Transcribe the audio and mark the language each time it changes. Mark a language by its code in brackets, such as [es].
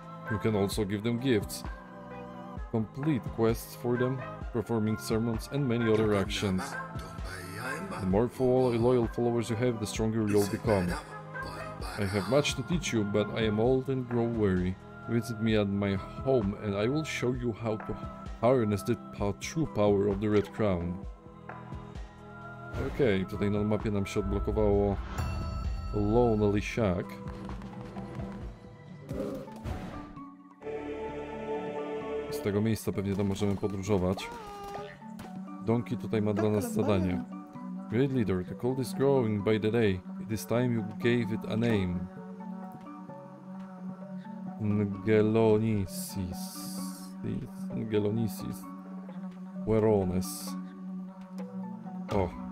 [en] You can also give them gifts, complete quests for them, performing sermons and many other actions. The more loyal followers you have, the stronger you'll become. I have much to teach you, but I am old and grow weary. Visit me at my home and I will show you how to harness the true power of the Red Crown. [pl] Okej, okay, tutaj na mapie nam się odblokowało Lonely Shack. Z tego miejsca pewnie tam możemy podróżować. Donki tutaj ma dla nas zadanie. [en] Great leader, the cult is growing by the day. It is time you gave it a name. Ngelonisis. Ngelonisis. Werones. O.